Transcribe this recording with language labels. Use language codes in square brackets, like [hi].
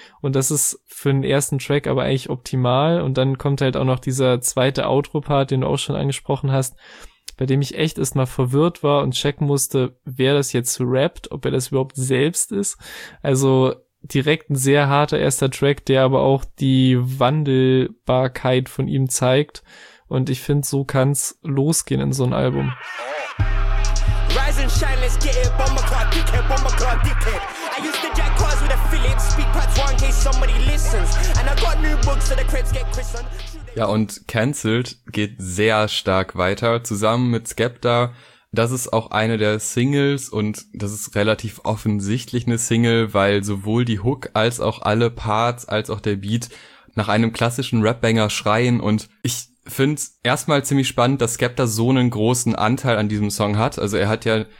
[de] Und das ist für den ersten Track aber eigentlich optimal. Und dann kommt halt auch noch dieser zweite Outro-Part, den du auch schon angesprochen hast, bei dem ich echt erstmal verwirrt war und checken musste, wer das jetzt rappt, ob er das überhaupt selbst ist. Also direkt ein sehr harter erster Track, der aber auch die Wandelbarkeit von ihm zeigt. Und ich finde, so kann's losgehen in so ein Album. [en] Rise and shine, let's get it, Bombaclaw, dickhead, Bombaclaw, dickhead. I used to jack cars with a Philips, speak parts one in case somebody listens. And I got new books, so the crepes get christened. [de] Ja, und Cancelled geht sehr stark weiter, zusammen mit Skepta. Das ist auch eine der Singles und das ist relativ offensichtlich eine Single, weil sowohl die Hook als auch alle Parts, als auch der Beat nach einem klassischen Rap-Banger schreien und ich find's erstmal ziemlich spannend, dass Skepta so einen großen Anteil an diesem Song hat. Also er hat ja